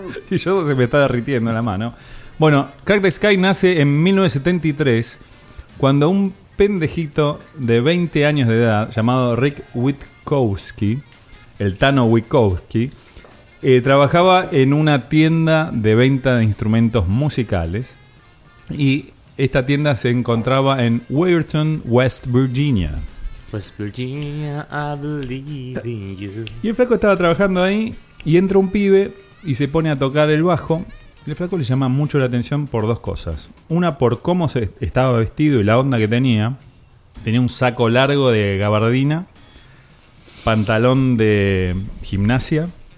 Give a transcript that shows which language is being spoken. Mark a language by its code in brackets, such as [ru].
[es] Y yo se me está derritiendo la mano. Bueno, Crack the Sky nace en 1973, cuando un pendejito de 20 años de edad llamado Rick Witkowski, el Tano Witkowski, trabajaba en una tienda de venta de instrumentos musicales y Esta tienda se encontraba en Weirton, West Virginia. [en] West Virginia, I believe in you. [es] Y el flaco estaba trabajando ahí y entra un pibe y se pone a tocar el bajo. Y el flaco le llama mucho la atención por dos cosas. Una, por cómo se estaba vestido y la onda que tenía. Tenía un saco largo de gabardina, pantalón de gimnasia.